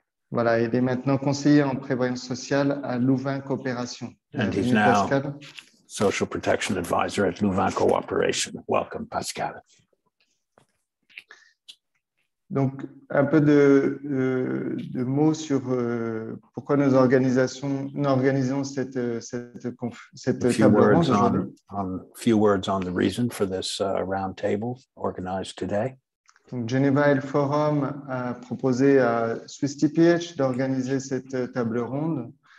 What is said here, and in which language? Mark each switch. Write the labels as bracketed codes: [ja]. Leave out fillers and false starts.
[fr] Voilà, il est maintenant conseiller en prévoyance sociale à Louvain Coopération. [en] And he's now Pascal. Social Protection Advisor at Louvain Cooperation. Welcome, Pascal. [fr] Donc, un peu de mots sur pourquoi nous organisons cette table ronde aujourd'hui. [en] A few words on the reason for this round table organized today. [fr] Donc, Geneva et le Forum a proposé à SwissTPH d'organiser cette table ronde.